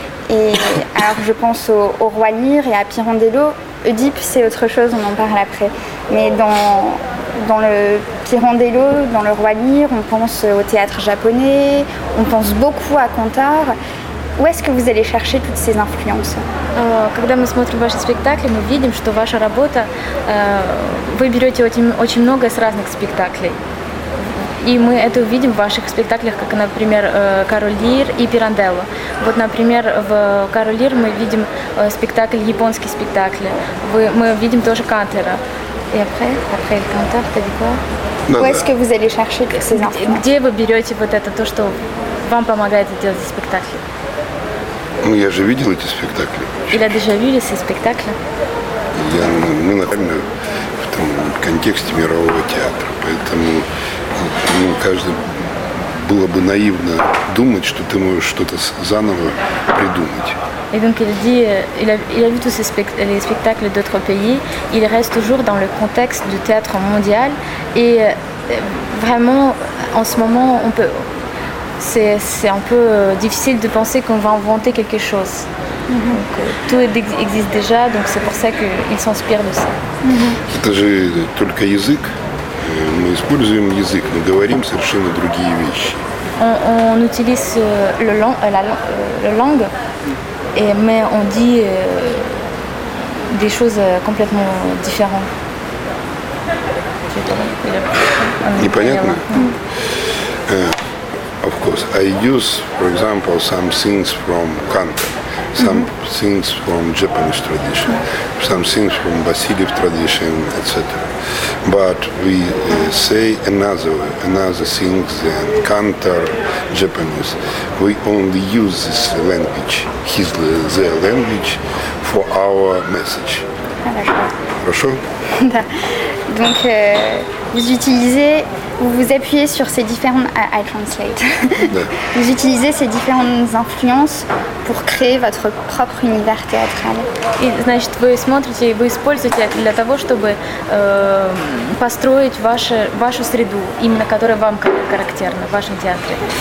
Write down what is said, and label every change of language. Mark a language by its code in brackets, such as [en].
[fr] Et alors je pense au Roi Lear et à Pirandello. Oedipe, c'est autre chose, on en parle après. Mais dans le Pirandello, dans le Roi Lear, on pense au théâtre japonais, on pense beaucoup à Cantor. Où est-ce que vous allez chercher toutes ces influences? [ru] Когда мы смотрим ваши спектакли, мы видим, что ваша работа, вы берете очень, очень много с разных спектаклей. И мы это увидим в ваших спектаклях, как, например, «Король Лир» и «Пиранделло». Вот, например, в «Король Лир» мы видим спектакль, японский спектакль. Мы видим тоже «Кантера». И après «Эль Кантер», ты видишь? [fr] Où est-ce que vous allez chercher toutes ces influences? [ru] Где вы берете вот это, то, что вам помогает делать спектакли? Ну, я же видел эти спектакли. Или даже видел эти спектакли? Мы, наверное, в том контексте мирового театра. Поэтому каждый было бы наивно думать, что ты можешь что-то заново придумать. [fr] И donc il dit, il a vu tous les spectacles d'autres pays, il reste toujours dans le contexte du théâtre mondial. Et vraiment, en ce moment, on peut... C'est un peu difficile de penser qu'on va inventer quelque chose. Mm-hmm. Donc, tout existe déjà, donc c'est pour ça qu'ils s'inspirent de ça. [ru] Это же только язык. Мы используем язык, мы говорим совершенно другие вещи. [fr] On utilise la langue, mais on dit des choses complètement différentes. [ru] Непонятно? [en] Of course, I use, for example, some things from Cantor, some things from Japanese tradition, some things from Vasiliev tradition, etc. But we say another thing than Cantor, Japanese. We only use this language, their language, for our message. [ru] Хорошо? Да. [fr] Donc, vous appuyez sur ces différentes... [en] I translate. [fr] Vous utilisez ces différentes influences pour créer votre propre univers théâtral. [ru] И, значит, вы смотрите, вы используете это для того, чтобы построить вашу среду, именно которая вам характерна, в вашем театре.